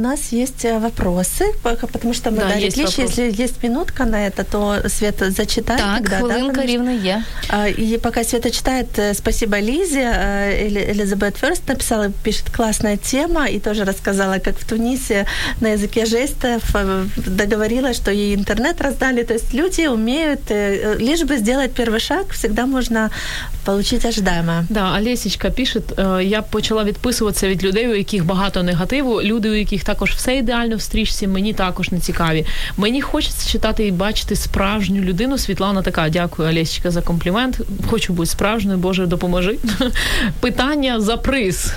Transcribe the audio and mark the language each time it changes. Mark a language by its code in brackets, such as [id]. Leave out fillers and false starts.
[uk] У нас є питання, тому що ми далі кліші, якщо є минутка на це, то Свята зачитає. Так, тогда, хвилинка, да, рівно є. І поки Свята читає, спасибо Лізі, Елізабет Ферст написала, пише, класна тема, і теж розказала, як в Тунісі [ru] на языке жестов договорилась, что ей интернет раздали. То есть люди умеют, лишь бы сделать первый шаг, всегда можно получить ожидаемое. Да, Олесечка пишет, [uk] я почала відписуватися від людей, у яких багато негативу, люди, у яких також все ідеально в стрічці, мені також не цікаві. Мені хочеться читати і бачити справжню людину. Світлана така, дякую, Олесечка, за комплімент. Хочу бути справжньою, Боже, допоможи. Питання за приз.